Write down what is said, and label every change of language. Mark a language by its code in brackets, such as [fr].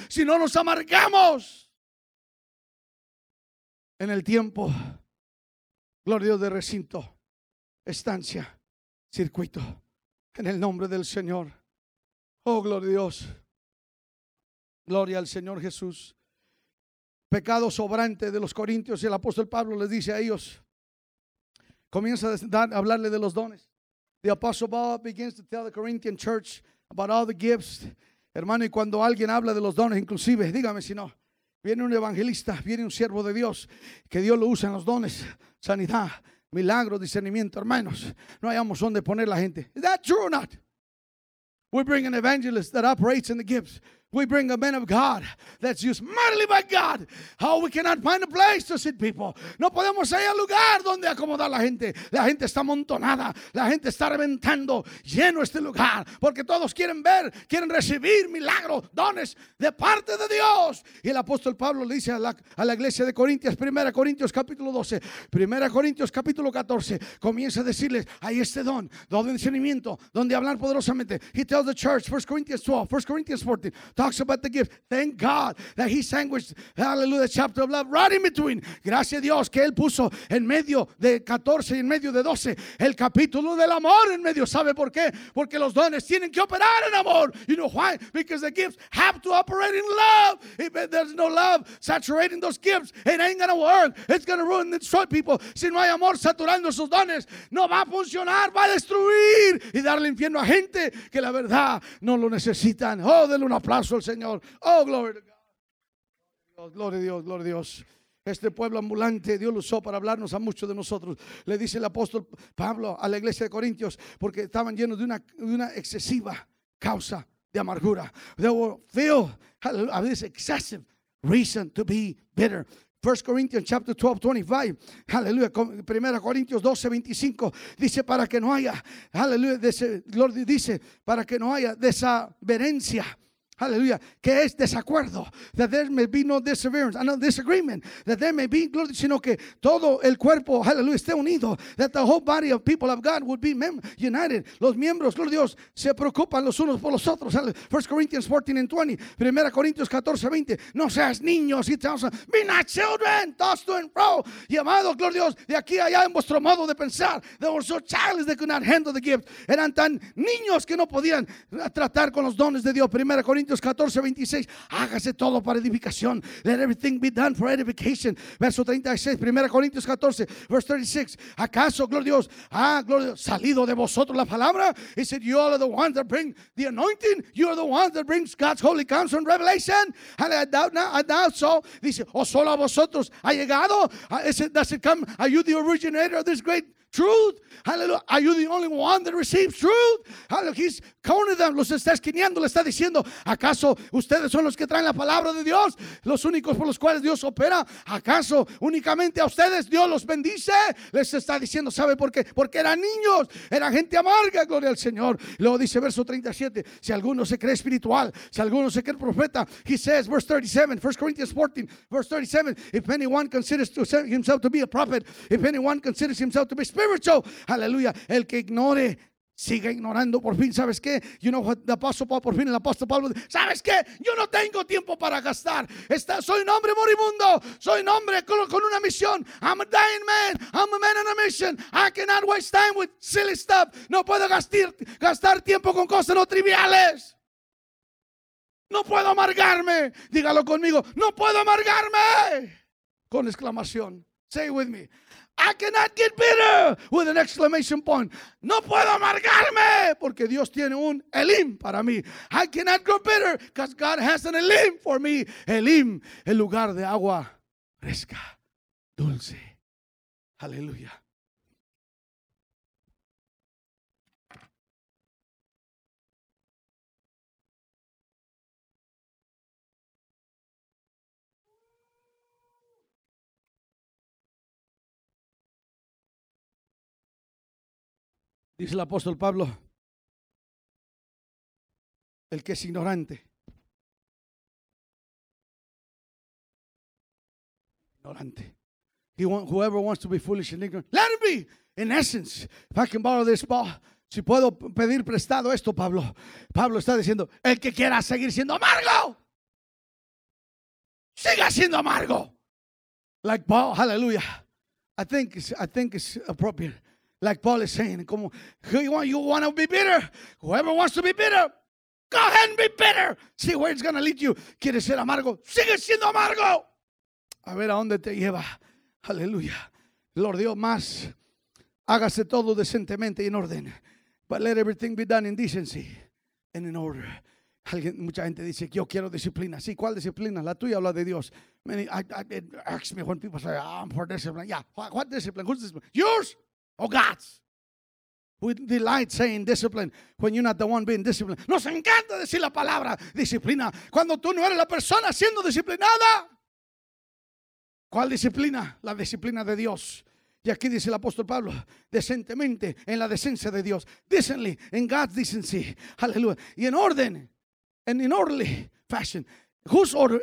[es] Si no nos amargamos en el tiempo, gloria a Dios, de recinto, estancia, circuito, en el nombre del Señor. Oh, gloria a Dios. Gloria al Señor Jesús. Pecado sobrante de los corintios, y el apóstol Pablo les dice a ellos, comienza a hablarle de los dones. [en] The apostle Paul begins to tell the Corinthian church about all the gifts. [es] Hermano, y cuando alguien habla de los dones, inclusive, dígame si no, viene un evangelista, viene un siervo de Dios, que Dios lo usa en los dones, sanidad, milagro, discernimiento, hermanos, no hayamos dónde poner la gente. [en] Is that true or not? We bring an evangelist that operates in the gifts. We bring a man of God that's used mightily by God. How we cannot find a place to sit people. [es] No podemos hallar lugar donde acomodar la gente. La gente está amontonada. La gente está reventando lleno este lugar. Porque todos quieren ver, quieren recibir milagros, dones de parte de Dios. Y el apóstol Pablo le dice a la iglesia de Corintios, 1 Corintios capítulo 12, 1 Corintios capítulo 14, comienza a decirles, hay este don, don de discernimiento, donde hablar poderosamente. [en] He tells the church, 1 Corinthians 12, 1 Corinthians 14, talks about the gift. Thank God that he sandwiched, hallelujah, the chapter of love right in between. [es] Gracias a Dios que él puso en medio de 14 y en medio de 12 el capítulo del amor en medio. ¿Sabe por qué? Porque los dones tienen que operar en amor. [en] You know why? Because the gifts have to operate in love. If there's no love saturating those gifts, it ain't gonna work. It's gonna ruin and destroy people. [es] Si no hay amor saturando esos dones, no va a funcionar, va a destruir y darle infierno a gente que la verdad no lo necesitan. Oh, denle una aplauso al Señor. [en] Oh, glory to God. [es] Gloria a Dios, gloria a Dios. Este pueblo ambulante, Dios lo usó para hablarnos a muchos de nosotros. Le dice el apóstol Pablo a la iglesia de Corintios, porque estaban llenos de una excesiva causa de amargura. [en] They were filled with this excessive reason to be bitter. 1 Corinthians chapter 12, 25. Hallelujah. 1 Corintios 12, 25. [es] Dice para que no haya, hallelujah, dice para que no haya desavenencia. Hallelujah. Que es desacuerdo. [en] That there may be no disagreement. No disagreement. That there may be glory. [es] Sino que todo el cuerpo, hallelujah, esté unido. [en] That the whole body of people of God would be united. [es] Los miembros, gloria a Dios, se preocupan los unos por los otros. [en] 1 Corinthians 14 and 20. 1 Corinthians 14, 20. [es] No seas niños. [en] He tells us, be not children. Tossed to and fro. [es] Llamados, gloria a Dios, de aquí allá en vuestro modo de pensar. [en] They were so childish they could not handle the gift. [es] Eran tan niños que no podían tratar con los dones de Dios. 1 Corinthians 14:26, hágase todo para edificación. [en] Let everything be done for edification. [es] Verso 36, 1 Corintios 14, [en] verse 36. [es] ¿Acaso, gloria a Dios, salido de vosotros la palabra? [en] He said, you all are the ones that bring the anointing. You are the ones that brings God's holy counsel and revelation. And I doubt so. [es] Dice, ¿o solo a vosotros ha llegado? [en] Does it come? Are you the originator of this great truth? Hallelujah. Are you the only one that receives truth? Hallelujah. He's calling them. [es] Los está esquineando. Le está diciendo, ¿acaso ustedes son los que traen la palabra de Dios? Los únicos por los cuales Dios opera. ¿Acaso únicamente a ustedes Dios los bendice? Les está diciendo, ¿sabe por qué? Porque eran niños. Era gente amarga. Gloria al Señor. Luego dice verso 37. Si alguno se cree espiritual, si alguno se cree profeta, [en] he says, verse 37, 1 Corinthians 14, verse 37, if anyone considers to himself to be a prophet, if anyone considers himself to be spiritual, hallelujah, [es] el que ignore siga ignorando. Por fin, ¿sabes qué? [en] You know what the apostle Paul, [es] por fin el apóstol Pablo, ¿sabes qué? Yo no tengo tiempo para gastar. Soy un hombre moribundo. Soy un hombre con una misión. [en] I'm a dying man. I'm a man on a mission. I cannot waste time with silly stuff. [es] No puedo gastar tiempo con cosas no triviales. No puedo amargarme. Dígalo conmigo. No puedo amargarme. Con exclamación. [en] Say it with me. I cannot get bitter with an exclamation point. [es] No puedo amargarme porque Dios tiene un Elim para mí. [en] I cannot grow bitter because God has an Elim for me. [es] Elim, el lugar de agua fresca, dulce. [en] Hallelujah. [es] Dice el apóstol Pablo, el que es ignorante, ignorante. [en] Whoever wants to be foolish and ignorant, let him be. In essence, if I can borrow this, Paul, [es] si puedo pedir prestado esto, Pablo. Pablo está diciendo, el que quiera seguir siendo amargo, siga siendo amargo. [en] Like Paul, hallelujah. I think it's appropriate. Like Paul is saying, como, you want to be bitter? Whoever wants to be bitter, Go ahead and be bitter. See where it's going to lead you. [es] ¿Quieres ser amargo? Sigue siendo amargo. A ver a dónde te lleva. Aleluya. Lord, Dios, más. Hágase todo decentemente y en orden. [en] But let everything be done in decency and in order. [es] Alguien, mucha gente dice, yo quiero disciplina. Sí, ¿cuál disciplina? La tuya o la de Dios. [en] Many, it asks me when people say, oh, I'm for discipline. Yeah, what discipline? Who's discipline? Yours or God's? We delight saying discipline when you're not the one being disciplined. [es] Nos encanta decir la palabra disciplina cuando tú no eres la persona siendo disciplinada. ¿Cuál disciplina? La disciplina de Dios. Y aquí dice el apóstol Pablo, decentemente, en la decencia de Dios. [en] Decently, in God's decency. Aleluya. [es] Y en orden, [en] and in orderly fashion. Whose order?